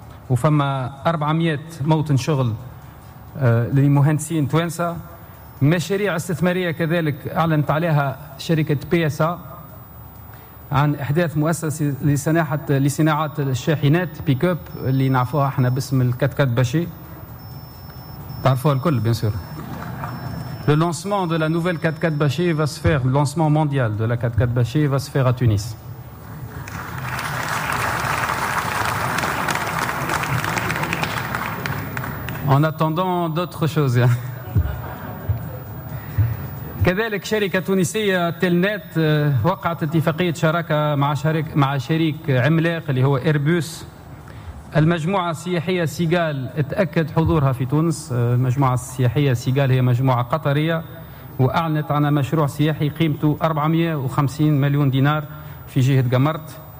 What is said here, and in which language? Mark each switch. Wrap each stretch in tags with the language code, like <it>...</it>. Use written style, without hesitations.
<ar>وفما 400 موطن شغل لمهندسين توانسة. مشاريع استثمارية كذلك أعلنت عليها شركة بيسا عن إحداث مؤسسة لصناعة الشاحنات بيكوب اللي نعرفوها احنا باسم الكتكات باشي، تعرفوها الكل بيان سور.</ar> <fr>Le lancement de la nouvelle 4x4 Bachy va se faire, le lancement mondial de la 4x4 Bachy va se faire à Tunis. En attendant d'autres choses.</fr> <ar>كذلك شركة تونسية تلنت وقعت اتفاقية شراكة مع شريك عملاق اللي هو إيربوس. المجموعة السياحية سيغال اتأكد حضورها في تونس. المجموعة السياحية سيغال هي مجموعة قطرية وأعلنت عن مشروع سياحي قيمته 450 مليون دينار في جهة قمرت.</ar>